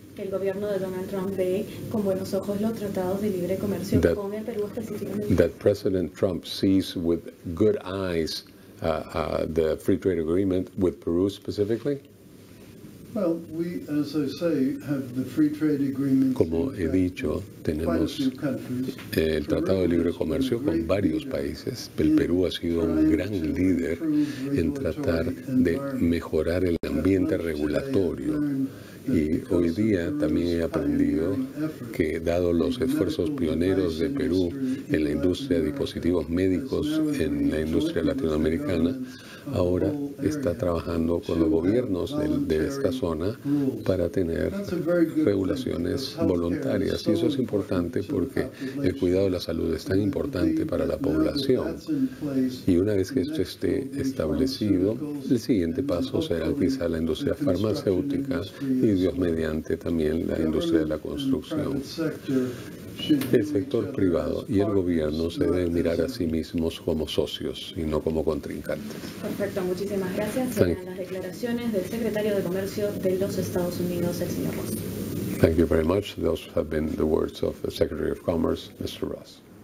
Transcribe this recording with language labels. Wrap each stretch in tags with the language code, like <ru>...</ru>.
<es>El gobierno de Donald Trump ve con buenos ojos los tratados de libre comercio con el Perú específicamente.</es> <en>That President Trump sees with good eyes the free trade agreement with Peru specifically. Well, we, as I say, have the free trade agreements.</en> <es>Como he dicho, tenemos el Tratado de Libre Comercio con varios países. El Perú ha sido un gran líder en tratar de mejorar el ambiente regulatorio. Y hoy día también he aprendido que, dado los esfuerzos pioneros de Perú en la industria de dispositivos médicos, en la industria latinoamericana, ahora está trabajando con los gobiernos de esta zona para tener regulaciones voluntarias. Y eso es importante porque el cuidado de la salud es tan importante para la población. Y una vez que esto esté establecido, el siguiente paso será quizá la industria farmacéutica y, Dios mediante, también la industria de la construcción. El sector privado y el gobierno se deben mirar a sí mismos como socios y no como contrincantes. Perfecto, muchísimas gracias. Serán las declaraciones del secretario de Comercio de los Estados Unidos, el señor Ross.</es> <en>Thank you very much. Those have been the words of the Secretary of Commerce, Mr. Ross.</en>